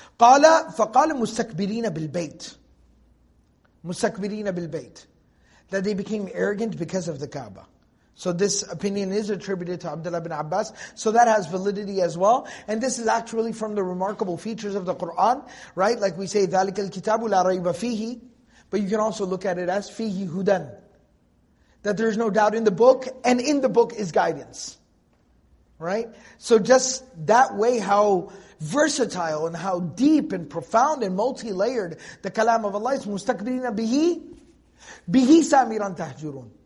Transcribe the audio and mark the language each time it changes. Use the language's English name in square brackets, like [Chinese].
[Arabic] قَالَ فَقَالَ مُسْتَكْبِرِينَ بِالْبَيْتِ. مُسْتَكْبِرِينَ بِالْبَيْتِ. [English] That they became arrogant because of the Kaaba. So this opinion is attributed to Abdullah bin Abbas. So that has validity as well. And this is actually from the remarkable features of the Qur'an, right? Like we say, [Arabic] ذَلِكَ الْكِتَابُ لَا رَيْبَ فِيهِ. [English] But you can also look at it as [Arabic] فِيهِ هُدًى. [English] That there is no doubt in the book, and in the book is guidance. Right? So just that way, how versatile and how deep and profound and multi-layered the kalam of Allah is, [Arabic] مُسْتَكْبِرِينَ بِهِ بِهِ سَامِرًا تَحْجُرُونَ.